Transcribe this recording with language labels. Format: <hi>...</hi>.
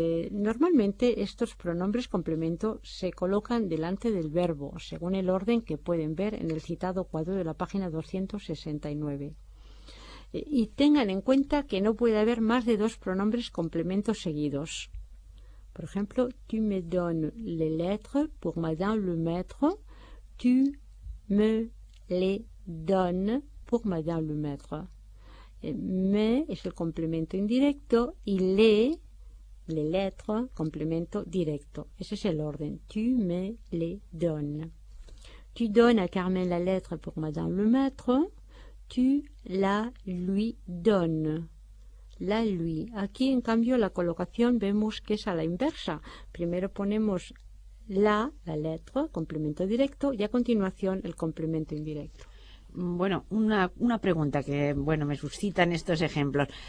<es>Normalmente estos pronombres complemento se colocan delante del verbo, según el orden que pueden ver en el citado cuadro de la página 269. Y tengan en cuenta que no puede haber más de dos pronombres complementos seguidos. Por ejemplo,</es> <fr>tu me donnes les lettres pour madame le maître, tu me les donnes pour madame le maître.</fr> <es>Me es el complemento indirecto y les lettres, complemento directo. Ese es el orden.</es> <fr>Tu me les donnes. Tu donnes a Carmen la lettre pour madame le maître. Tu la lui donnes. La lui.</fr> <es>Aquí, en cambio, la colocación vemos que es a la inversa. Primero ponemos la lettre, complemento directo, y a continuación el complemento indirecto. Bueno, una pregunta que, bueno, me suscitan estos ejemplos.</es>